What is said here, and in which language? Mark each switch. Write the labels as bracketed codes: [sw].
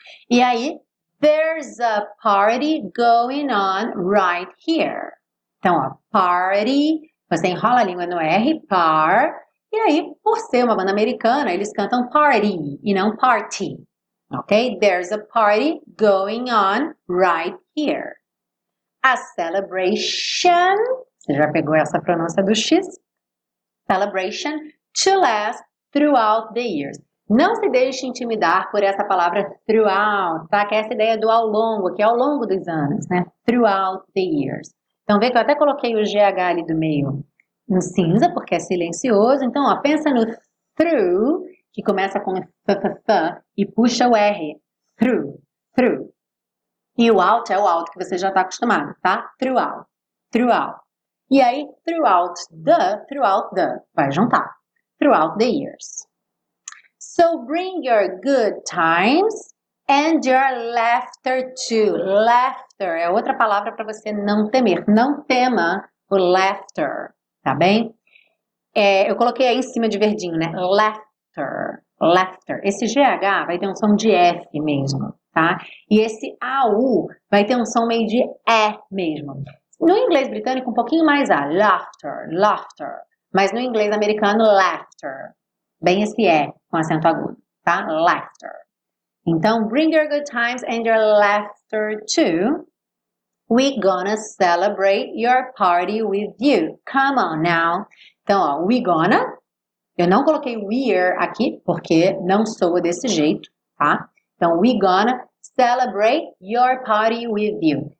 [pt] E aí, [en] there's a party going on right here. [pt] Então, ó, party. Você enrola a língua no R, par. E aí, por ser uma banda americana, eles cantam party e não party. Ok? [en] There's a party going on right here. A celebration. [pt] Você já pegou essa pronúncia do X? [en] Celebration to last throughout the years. [pt] Não se deixe intimidar por essa palavra throughout, tá? Que é essa ideia do ao longo, que é ao longo dos anos, né? [en] Throughout the years. [pt] Então, vê que eu até coloquei o GH ali do meio no cinza, porque é silencioso. Então, ó, pensa no through, que começa com f-f-f e puxa o R. Through, through. E o out é o out que você já está acostumado, tá? Throughout, throughout. E aí, throughout the, vai juntar. [en] Throughout the years. So, bring your good times and your laughter too. [pt] Laughter é outra palavra para você não temer. Não tema o laughter, tá bem? É, eu coloquei aí em cima de verdinho, né? Laughter, laughter. Esse GH vai ter um som de F mesmo, tá? E esse AU vai ter um som meio de E mesmo. No inglês britânico, um pouquinho mais A. Laughter, laughter. Mas no inglês americano, laughter. Bem esse E com acento agudo, tá? Laughter. Então, [en] bring your good times and your laughter too. We gonna celebrate your party with you. Come on now. [pt] Então, ó, [en] we gonna. [pt] Eu não coloquei we're aqui porque não soa desse jeito, tá? Então, [en] we gonna celebrate your party with you.